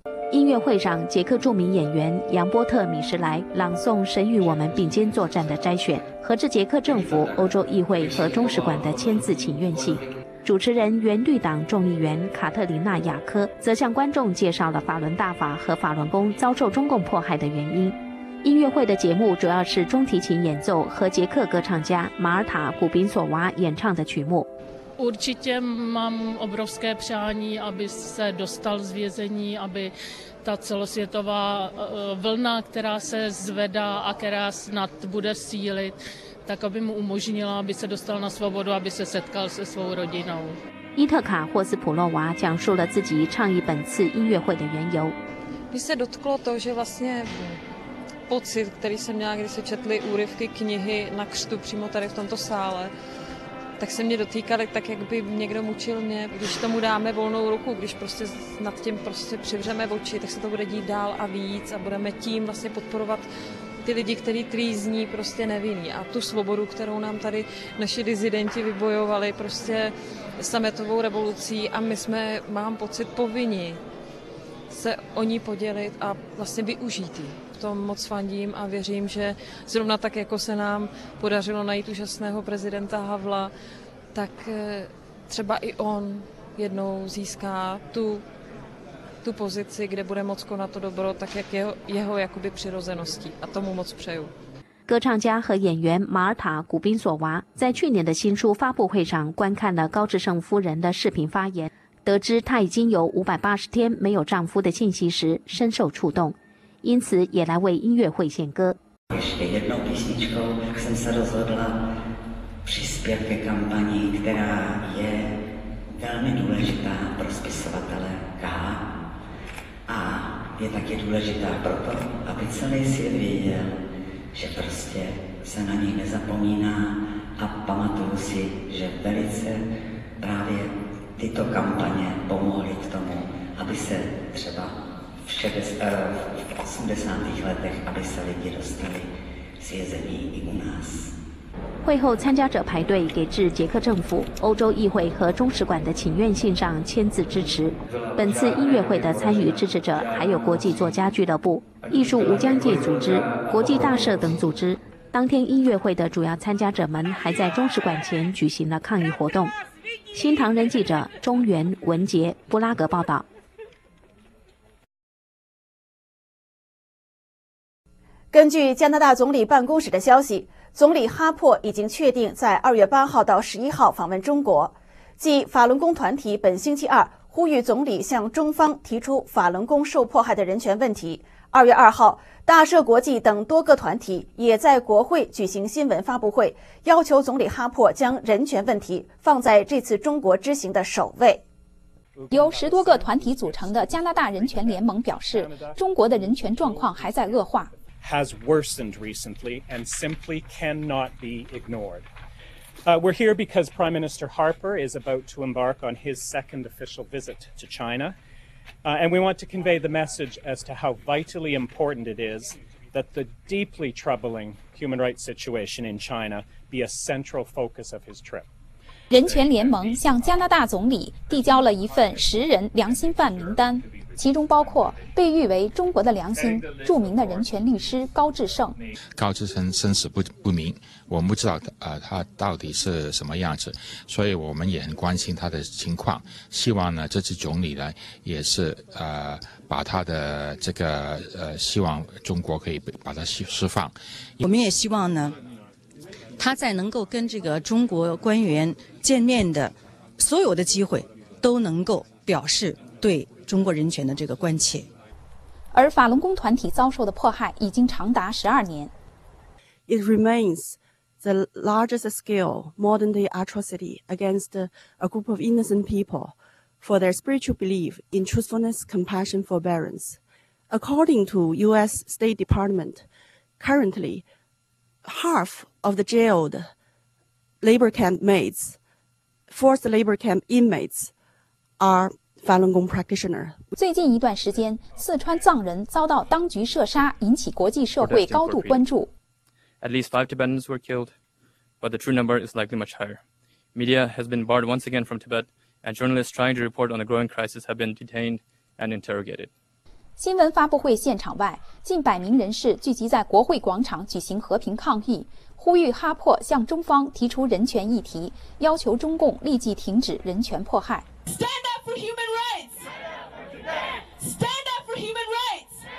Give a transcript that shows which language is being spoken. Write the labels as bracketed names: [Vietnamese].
[Chinese] 音乐会上，捷克著名演员杨波特·米什莱朗诵《神与我们并肩作战》的摘选，和着捷克政府、欧洲议会和中使馆的签字请愿信。主持人原绿党众议员卡特琳娜·雅科则向观众介绍了法轮大法和法轮功遭受中共迫害的原因。音乐会的节目主要是中提琴演奏和捷克歌唱家马尔塔·古宾索娃演唱的曲目。 [Czech] Určitě mám obrovské přání, aby se dostal z vězení, aby ta celosvětová vlna, která se zvedá a která snad bude sílit, tak aby mu umožnila, aby se dostal na svobodu, aby se setkal se svou rodinou. [Chinese] 伊特卡·霍斯普洛娃讲述了自己倡议本次音乐会的缘由。 [Czech] Mě se dotklo to, že vlastně pocit, který jsem měla, když se četly úryvky knihy na křtu přímo tady v tomto sále, tak se mě dotýkali tak, jak by někdo mučil mě. Když tomu dáme volnou ruku, když prostě nad tím prostě přivřeme oči, tak se to bude dít dál a víc a budeme tím vlastně podporovat ty lidi, kteří trýzní prostě nevinní. A tu svobodu, kterou nám tady naši disidenti vybojovali prostě sametovou revolucí a my jsme, mám pocit, povinni se o ní podělit a vlastně využít jí. Tom moc fandím a věřím, že zrovna tak, jako se nám podařilo najít úžasného prezidenta Havla, tak třeba i on jednou získá tu pozici, kde bude moc konat to dobro, tak jak jeho jakoby přirozeností. A tomu moc přeju. [Chinese] 歌唱家和演员马尔塔·古宾索娃在去年的新书发布会上观看了高志胜夫人的视频发言，得知她已经有580天没有丈夫的信息时，深受触动。因此也来为音乐会献歌。 [Czech] Ještě jednou písničkou jsem se rozhodla přispět ke kampani, která je velmi důležitá pro spisovatele K. A je také důležitá proto, aby celý svět věděl, že prostě se na něj nezapomíná a pamatuju si, že velice právě tyto kampaně pomohly k tomu, aby se třeba v 80. letech, aby se lidi dostali z vězení i u nás. [Chinese] 会后参加者排队给致捷克政府、欧洲议会和中使馆的请愿信上签字支持。本次音乐会的参与支持者还有国际作家俱乐部、艺术无疆界组织、国际大社等组织。当天音乐会的主要参加者们还在中使馆前举行了抗议活动。新唐人记者中原文杰布拉格报道。根据加拿大总理办公室的消息，总理哈珀已经确定在2月8号到11号访问中国。继法轮功团体本星期二呼吁总理向中方提出法轮功受迫害的人权问题，2月2号，大赦国际等多个团体也在国会举行新闻发布会，要求总理哈珀将人权问题放在这次中国之行的首位。由10多个团体组成的加拿大人权联盟表示，中国的人权状况还在恶化。 [English] has worsened recently and simply cannot be ignored. We're here because Prime Minister Harper is about to embark on his second official visit to China. And we want to convey the message as to how vitally important it is that the deeply troubling human rights situation in China be a central focus of his trip. [Chinese] 人权联盟向加拿大总理递交了一份十人良心犯名单，其中包括被誉为中国的良心著名的人权律师高志胜。高志胜生死不明，我们不知道他到底是什么样子，所以我们也很关心他的情况，希望呢这次总理呢也是把他的这个希望中国可以把他释放。我们也希望呢他在能够跟这个中国官员见面的所有的机会都能够表示对中国人权的这个关切。而法轮功团体遭受的迫害已经长达12年。 [English] It remains the largest scale modern day atrocity against a group of innocent people for their spiritual belief in truthfulness, compassion, forbearance. According to US State Department, currently half of the jailed labor camp mates, forced labor camp inmates are Falun Gong practitioner. [Chinese] 最近一段时间，四川藏人遭到当局射杀，引起国际社会高度关注。 [English] At least 5 Tibetans were killed, but the true number is likely much higher. Media has been barred once again from Tibet, and journalists trying to report on the growing crisis have been detained and interrogated. [Chinese] 新闻发布会现场外，近百名人士聚集在国会广场举行和平抗议，呼吁哈珀向中方提出人权议题，要求中共立即停止人权迫害。 [English] Stand up for human rights! Stand up for human rights!